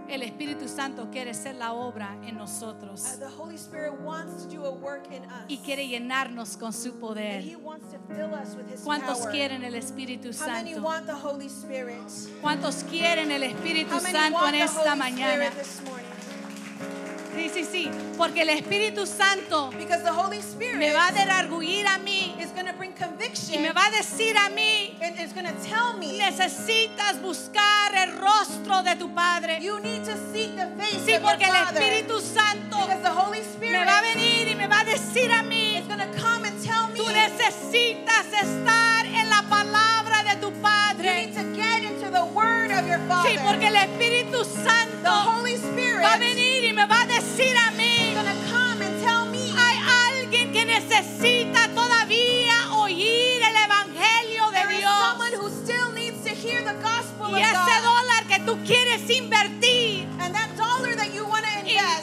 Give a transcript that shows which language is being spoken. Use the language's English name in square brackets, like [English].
[Spanish] El Espíritu Santo quiere hacer la obra en nosotros, [English] the Holy Spirit wants to do a work in us, [Spanish] y quiere llenarnos con su poder. [English] And he wants to fill us with his [Spanish] ¿cuántos [English] power? [Spanish] Quieren el Espíritu Santo? [English] How many want the Holy Spirit? [Spanish] ¿Cuántos quieren el Espíritu Santo en esta mañana? Sí, sí, sí, porque el Espíritu Santo me va a redarguir a mí y me va a decir a mí, [English] it's gonna tell me, [Spanish] necesitas buscar el rostro de tu Padre. [English] You need to seek the face, [Spanish] sí, porque [English] of your [Spanish] el Espíritu Santo me va a venir y me va a decir a mí, [English] it's gonna come and tell me, [Spanish] tú necesitas estar en la palabra de tu Padre. [English] You need to get into the word of your Father. [Spanish] Sí, porque el Espíritu Santo [English] the Holy Spirit [Spanish] va a venir y me va a decir a mí, [English] gonna come and tell me, [Spanish] hay alguien que necesita todavía oír el Evangelio de Dios. [English] There is someone who still needs to hear the gospel of God. [Spanish] Y ese dólar que tú quieres invertir, [English] and that dollar that you want to invest,